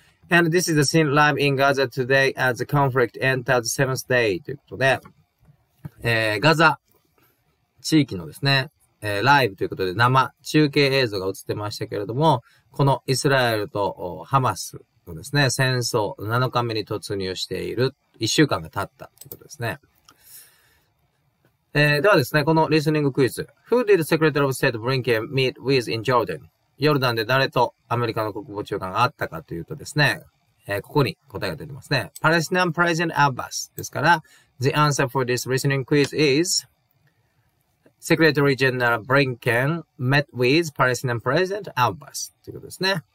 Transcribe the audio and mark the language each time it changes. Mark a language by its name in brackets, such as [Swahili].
[English] And this is the scene live in Gaza today as the conflict enters the 7th day. [Japanese] ということで、ガザ地域のですね、ライブということで生中継映像が映ってましたけれども、このイスラエルとハマスのですね、戦争7日目に突入している1週間が経ったということですね。ではですね、このリスニングクイズ。 [English] Who did Secretary of State Blinken meet with in Jordan? [Japanese] ヨルダンで誰とアメリカの国防長官が会ったかというとですね、ここに答えが出てますね。 [English] Palestinian President Abbas [Japanese] ですから、 [English] The answer for this listening quiz is Secretary General Blinken met with Palestinian President Abbas [Japanese] ということですね。